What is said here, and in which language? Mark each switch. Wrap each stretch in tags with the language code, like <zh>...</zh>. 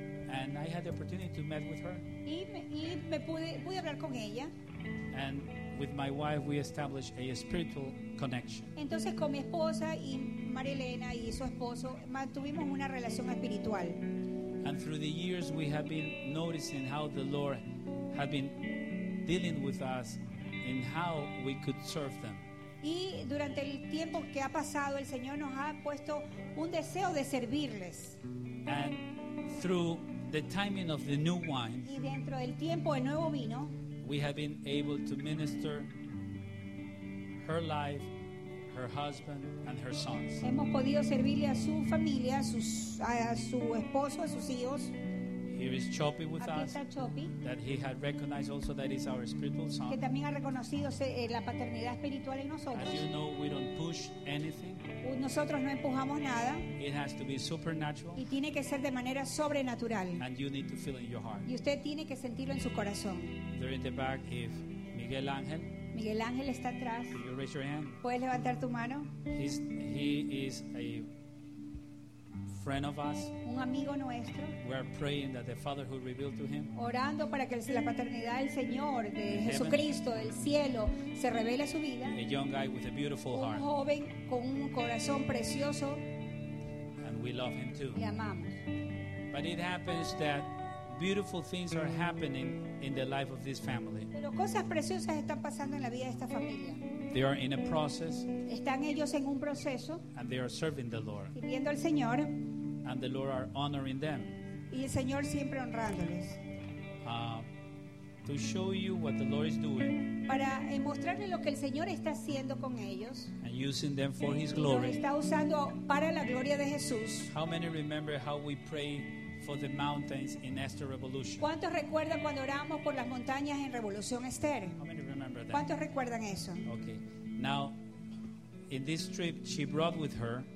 <en>And I had the opportunity to meet with her.</en> <es>Y me pude hablar con ella.</es> <en>And with my wife, we established a spiritual connection.</en> <es>Entonces, con mi esposa y María Elena y su esposo, mantuvimos una relación espiritual.</es> <en>And through the years, we have been noticing how the Lord has been dealing with us and how we could serve them.</en> <es>Y durante el tiempo que ha pasado, el Señor nos ha puesto un deseo de servirles.</es> <en>And through the timing of the new wine,</en> <es>y dentro del tiempo del nuevo vino,</es> <en>we have been able to minister her life, her husband, and her sons.</en> <es>Hemos podido servirle a su familia, a su esposo, a sus hijos.</es> <en>Here is Chopi with</en> <es>aquí</es> <en>us.</en> <es>Está Chopi,</es> <en>that he had recognized also that is our spiritual son.</en> <es>Que también ha reconocido la paternidad espiritual en nosotros.</es> <en>As you know, we don't push anything.</en> <es>Nosotros no empujamos nada.</es> <en>It has to be supernatural.</en> <es>Y tiene que ser de manera sobrenatural.</es> <en>And you need to feel in your heart.</en> <es>Y usted tiene que sentirlo en su corazón.</es> <en>There in the back, if Miguel Ángel.</en> <es>Miguel Ángel está atrás.</es> <en>Can you raise your hand?</en> <es>¿Puedes levantar tu mano?</es> <en>He is a friend of us.</en> <es>Un amigo nuestro.</es> <en>We are praying that the Father who revealed to him.</en> <es>Orando para que la paternidad del Señor de Jesucristo, del cielo, se revele a su vida.</es> <en>A young guy with a beautiful heart.</en> <es>Un joven con un corazón precioso.</es> <en>And we love him too.</en> <es>Le amamos.</es> <en>But it happens that beautiful things are happening in the life of this family.</en> <es>Pero cosas preciosas están pasando en la vida de esta familia.</es> <en>They are in a process.</en> <es>Están ellos en un proceso.</es> <en>And they are serving the Lord.</en> <es>Sirviendo al Señor.</es> <en>And the Lord are honoring them.</en> <es>Y el Señor siempre honrándoles.</es> <en>To show you what the Lord is doing.</en> <es>Para mostrarle lo que el Señor está haciendo con ellos.</es> <en>And using them for His glory.</en> <es>Está usando para la gloria de Jesús.</es> <en>How many remember how we pray for the mountains in Esther Revolution?</en> <es>¿Cuántos recuerdan cuando oramos por las montañas en Revolución Esther?</es> <en>How many remember that?</en> <es>¿Cuántos recuerdan eso?</es> <en>Okay. Now, in this trip, she brought with her.</en>